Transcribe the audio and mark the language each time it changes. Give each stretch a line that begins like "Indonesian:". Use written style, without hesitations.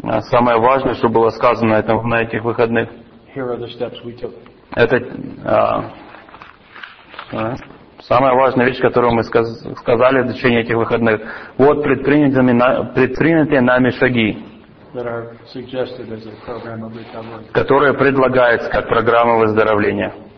Russian: Самое важное, что было сказано на этих выходных. Самая важная вещь, которую мы сказали в течение этих выходных. Вот предпринятые нами шаги.
English: That are suggested as a program of recovery.
Russian: Которая предлагается как программа выздоровления.